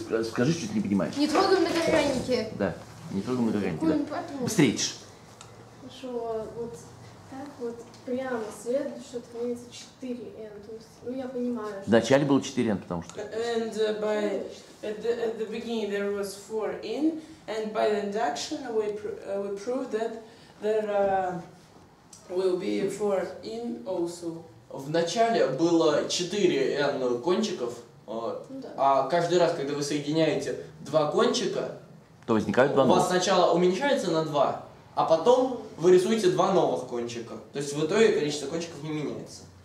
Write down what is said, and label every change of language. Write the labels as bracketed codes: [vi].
[ru] Скажи, что ты не понимаешь. Не трогай многогранники. Да, не трогай многогранники. Быстрее. Хорошо, вот так вот. Прямо следующее отклоняется 4n, то есть, ну я понимаю, что... Вначале было 4n, потому что... [en] And by... At the beginning there was 4n, and by the induction we proved that there will be 4n also. [ru] Вначале было 4n кончиков, а каждый раз, когда вы соединяете 2 кончика... То возникают 2 новых. У вас сначала уменьшается на 2. А потом вы рисуете 2 новых кончика. То есть в итоге количество кончиков не меняется.